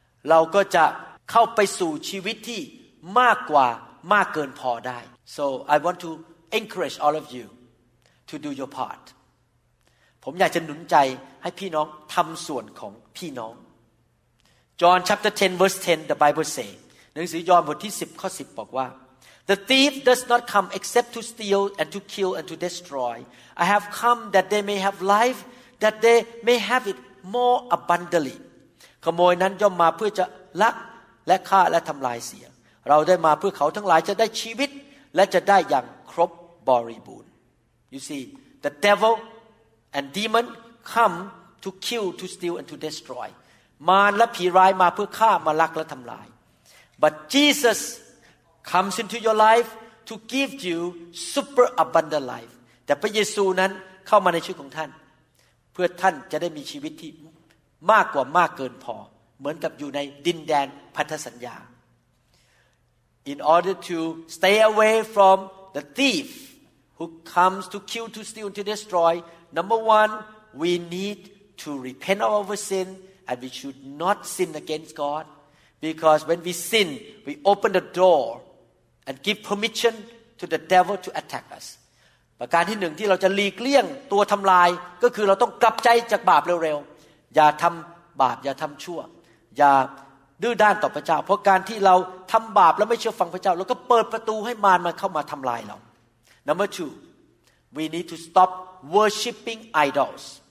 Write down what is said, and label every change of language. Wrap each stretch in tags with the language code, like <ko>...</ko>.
<th>เราก็จะเข้าไปสู่ชีวิตที่มากกว่ามากเกินพอได้</th> <en>So I want to encourage all of you to do your part</en> <th>ผมอยากจะหนุนใจให้พี่น้องทำส่วนของพี่น้อง</th> <en>John chapter 10 verse 10 the Bible says</en> <th>หนังสือยอห์นบทที่10ข้อ10บอกว่า</th> <en>The thief does not come except to steal and to kill and to destroy. I have come that they may have life, that they may have it more abundantly.</en> <th>ขโมยนั้นย่อมมาเพื่อจะลักและฆ่าและทำลายเสียเราได้มาเพื่อเขาทั้งหลายจะได้ชีวิตและจะได้อย่างครบบริบูรณ์</th> <en>You see, the devil and demon come to kill, to steal and to destroy.</en> <th>มารและผีร้ายมาเพื่อฆ่ามาลักและทำลาย</th> <en>But Jesus. Comes into your life to give you super abundant life.</en> <th>แต่พระเยซูนั้นเข้ามาในชีวิตของท่านเพื่อท่านจะได้มีชีวิตที่มากกว่ามากเกินพอเหมือนกับอยู่ในดินแดนพันธสัญญา</th> <en>In order to stay away from the thief who comes to kill, to steal, to destroy, number one, we need to repent of our sin and we should not sin against God. Because when we sin, we open the door and give permission to the devil to attack us.</en> <th>ประการที่หนึ่งที่เราจะหลีกเลี่ยงตัวทำลายก็คือเราต้องกลับใจจากบาปเร็วๆอย่าทำบาปอย่าทำชั่วอย่าดื้อด้านต่อพระเจ้าเพราะการที่เราทำบาปแล้วไม่เชื่อฟังพระเจ้าเราก็เปิดประตูให้มารมาเข้ามาทำลายเรา</th> <en>Number two, we need to stop worshiping idols.</en>